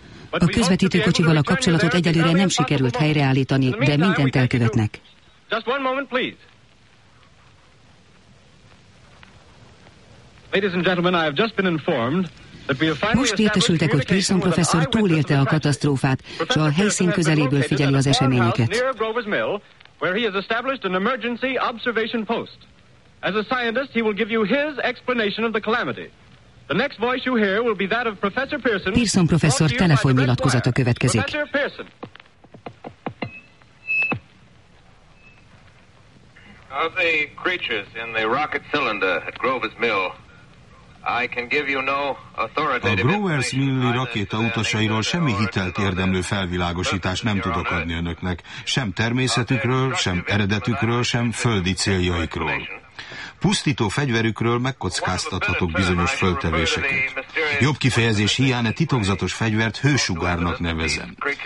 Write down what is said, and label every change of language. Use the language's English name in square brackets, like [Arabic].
[Hungarian] A közvetítő kocsival a kapcsolatot egyelőre nem sikerült helyreállítani, de mindent elkövetnek. [English] Ladies and gentlemen, I have just been informed that we have finally. [Hungarian] Most értesültek, hogy Pearson professzor túlélte a katasztrófát, és a helyszín közeléből figyeli az eseményeket. [English] Near Grover's Mill, where he has established an emergency observation post. As a scientist, he will give you his explanation of the calamity. The next voice you hear will be that of Professor Pearson. [Hungarian] Pearson professzor telefonnyilatkozata következik. [English] Professor Pearson. Of the creatures in the rocket cylinder at Grover's Mill, I can give you no authoritative. [Hungarian] A Grover's Mill-i rakéta utasairól semmi hitelt érdemlő felvilágosítást nem tudok adni önöknek, sem természetükről, sem eredetükről, sem földi céljaikról. Pusztító fegyverükről megkockáztathatok bizonyos föltevéseket. Jobb kifejezés hiány, e titokzatos fegyvert hősugárnak nevezem.